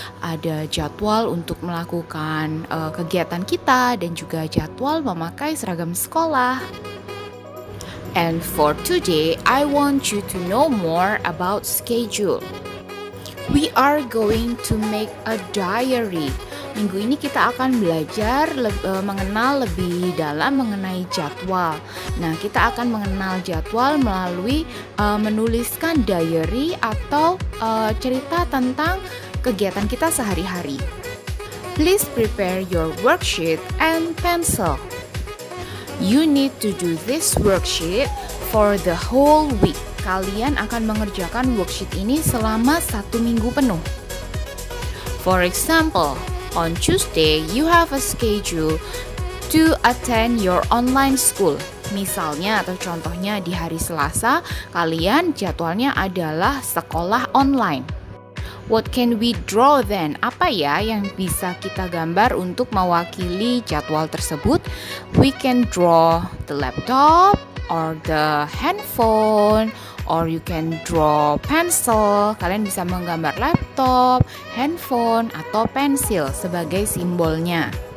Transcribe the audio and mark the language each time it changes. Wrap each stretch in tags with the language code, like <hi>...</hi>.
<id>Ada jadwal untuk melakukan kegiatan kita dan juga jadwal memakai seragam sekolah.</id> <en>And for today, I want you to know more about schedule. We are going to make a diary.</en> <id>Minggu ini kita akan belajar mengenal lebih dalam mengenai jadwal. Nah, kita akan mengenal jadwal melalui menuliskan diary atau cerita tentang kegiatan kita sehari-hari.</id> <en>Please prepare your worksheet and pencil. You need to do this worksheet for the whole week.</en> <id>Kalian akan mengerjakan worksheet ini selama satu minggu penuh.</id> <en>For example, on Tuesday, you have a schedule to attend your online school.</en> <id>Misalnya atau contohnya di hari Selasa, kalian jadwalnya adalah sekolah online.</id> <en>What can we draw then?</en> <id>Apa ya yang bisa kita gambar untuk mewakili jadwal tersebut?</id> <en>We can draw the laptop or the handphone. Or you can draw pencil.</en> <id>Kalian bisa menggambar laptop, handphone, atau pensil sebagai simbolnya.</id>